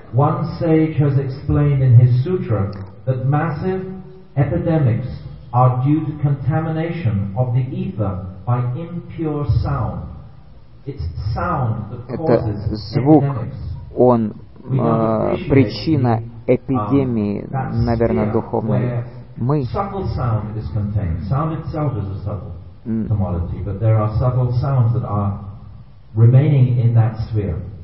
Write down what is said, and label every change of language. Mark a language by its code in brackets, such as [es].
[en] That massive epidemics are due to contamination of the ether by impure sound. It's sound that causes epidemics. [ru] Он причина эпидемии, наверное, духовной. Мы [en] subtle sound is contained. Sound itself is a subtle commodity, but there are subtle sounds that are remaining in that sphere.